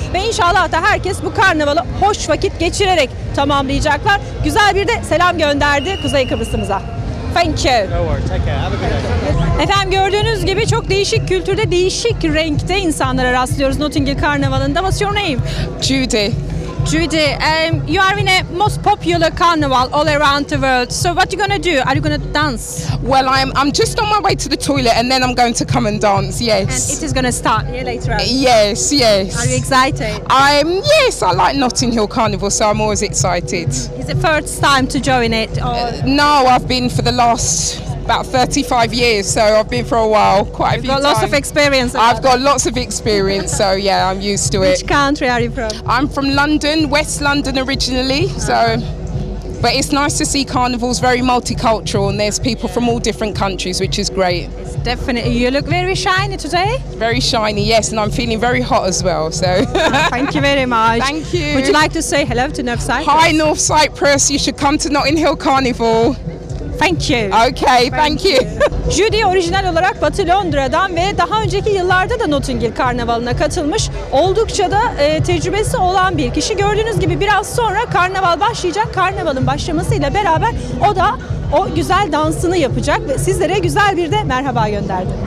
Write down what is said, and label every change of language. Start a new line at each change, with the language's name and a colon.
Turkish: Ve inşallah da herkes bu karnavalı hoş vakit geçirerek tamamlayacaklar. Güzel bir de selam gönderdi Kuzey Kıbrıs'ımıza.
English: Thank you. No worries, take care. Have a good day.
Turkish: Efendim gördüğünüz gibi çok değişik kültürde, değişik renkte insanlara rastlıyoruz Notting Hill Karnavalı'nda.
English: What's your name? Judy. Judy, you are in a most popular carnival all around the world. So what are you going to do? Are you going to dance? Well, I'm just on my way to the toilet and then I'm going to come and dance, yes. And it is going to start here later on? Yes, yes. Are you excited? Yes, I like Notting Hill Carnival, so I'm always excited. Is it first time to join it? Or? No, I've been for the last about 35 years, so I've been for a while, quite a few times. You've got lots of experience. I've got lots of experience, so yeah, I'm used to it. Which country are you from? I'm from London, West London originally, so. But it's nice to see carnivals very multicultural and there's people from all different countries, which is great. It's definitely, you look very shiny today. Very shiny, yes, and I'm feeling very hot as well, so. Thank you very much. Thank you. Would you like to say hello to North Cyprus? Hi, North Cyprus, you should come to Notting Hill Carnival. Thank you. Okay, thank you.
Turkish: Judy orijinal olarak Batı Londra'dan ve daha önceki yıllarda da Notting Hill Karnavalı'na katılmış. Oldukça da tecrübesi olan bir kişi. Gördüğünüz gibi biraz sonra karnaval başlayacak. Karnavalın başlamasıyla beraber o da o güzel dansını yapacak ve sizlere güzel bir de merhaba gönderdi.